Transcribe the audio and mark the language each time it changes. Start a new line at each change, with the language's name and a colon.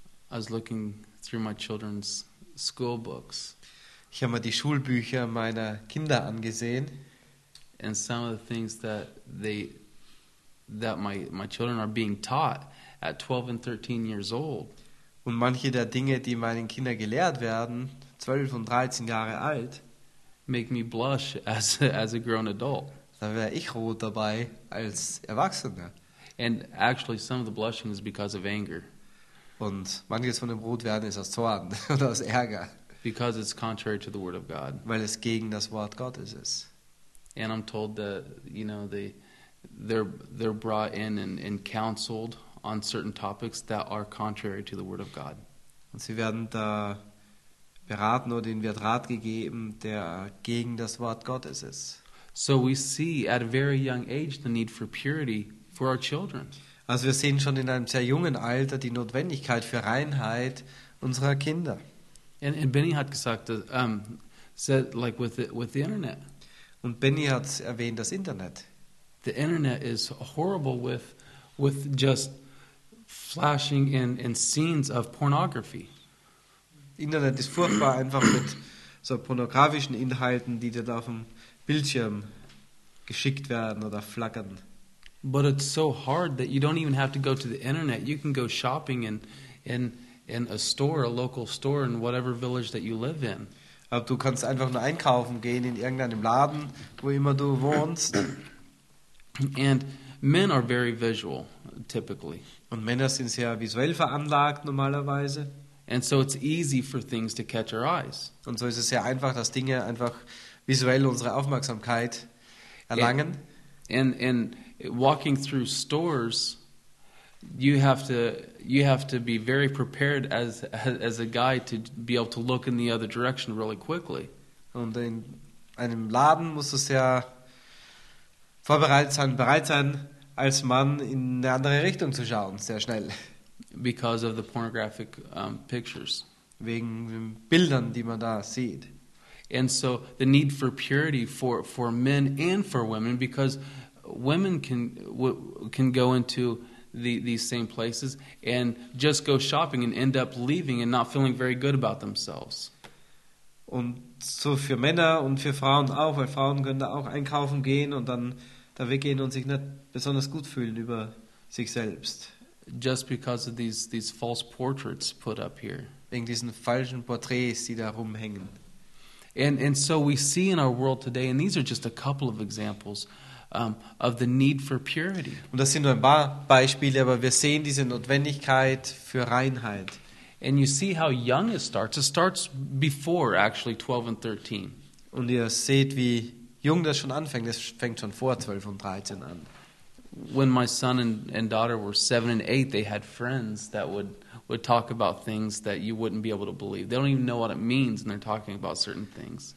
English: I was looking through my children's school books.
German: Ich habe mir die Schulbücher meiner Kinder angesehen.
English: And some of the things that my children are being taught at 12 and 13 years old.
German: Und manche der Dinge, die meinen Kindern gelehrt werden, 12 und 13 Jahre alt,
English: make me blush as a grown adult.
German: Da wäre ich rot dabei als Erwachsener.
English: And actually some of the blushing is because of anger.
German: Und manches von dem Rotwerden ist aus Zorn oder aus Ärger.
English: Because it's contrary to the word of God.
German: Weil es gegen das Wort Gottes ist.
English: And I'm told that, you know, they're brought in and counseled on certain topics that are contrary to the word of God.
German: Und sie werden da beraten, oder ihnen wird Rat gegeben, der gegen das Wort Gottes ist.
English: So we see at a very young age the need for purity for our children.
German: Also wir sehen schon in einem sehr jungen Alter die Notwendigkeit für Reinheit unserer Kinder.
English: And Benny
German: hat gesagt,
English: said like with the internet.
German: Und Benny hat erwähnt das Internet.
English: The internet is horrible with just flashing in scenes of pornography.
German: Internet ist furchtbar einfach mit so pornografischen Inhalten, die dir da auf dem Bildschirm geschickt werden oder flackern.
English: But it's so hard that you don't even have to go to the internet. You can go shopping in a store, a local store in whatever village that you live in.
German: Aber du kannst einfach nur einkaufen gehen in irgendeinem Laden, wo immer du wohnst.
English: And men are very visual, typically.
German: Und Männer sind sehr visuell veranlagt normalerweise.
English: And so it's easy for things to catch our eyes.
German: Und so ist es sehr einfach, dass Dinge einfach visuell unsere Aufmerksamkeit erlangen.
English: And walking through stores, you have to be very prepared as a guy to be able to look in the other direction really quickly.
German: Und in einem Laden musst du sehr vorbereitet sein, bereit sein, als Mann in eine andere Richtung zu schauen, sehr schnell.
English: Because of the pornographic pictures.
German: Wegen den Bildern, die man da sieht.
English: And so the need for purity for men and for women, because women can go into these same places and just go shopping and end up leaving and not feeling very good about themselves.
German: Und so für Männer und für Frauen auch, weil Frauen können da auch einkaufen gehen und dann da weggehen und sich nicht besonders gut fühlen über sich selbst.
English: Just because of these false portraits put up here.
German: Wegen diesen falschen Porträts, die da rumhängen.
English: And so we see in our world today, and these are just a couple of examples of the need for purity.
German: Und das sind nur ein paar Beispiele, aber wir sehen diese Notwendigkeit für Reinheit.
English: And you see how young it starts. It starts before actually 12 and 13.
German: Und ihr seht, wie jung das schon anfängt. Es fängt schon vor 12 und 13 an.
English: When my son and daughter were 7 and 8, they had friends that would talk about things that you wouldn't be able to believe. They don't even know what it means, and they're talking about certain things.